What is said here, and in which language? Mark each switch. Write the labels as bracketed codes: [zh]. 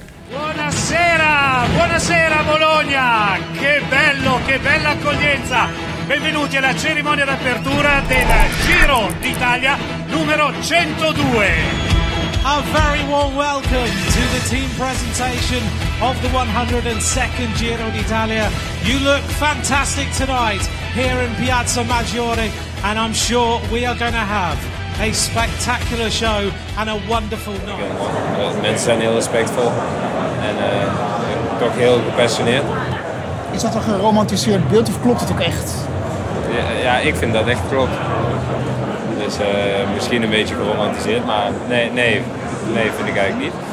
[it] Buonasera, buonasera Bologna, che bello, che bella accoglienza. Benvenuti alla cerimonia d'apertura del Giro d'Italia numero 102. [en] A very warm welcome to the team presentation of the 102nd Giro d'Italia. You look fantastic tonight here in Piazza Maggiore, and I'm sure we are going to have a spectacular show and a wonderful night. [nl] Mensen zijn heel respectvol en toch heel gepassioneerd. Is dat een geromantiseerd beeld of klopt het ook echt? Ja, ik vind dat echt klopt. Dus misschien een beetje geromantiseerd, maar nee, vind ik eigenlijk niet.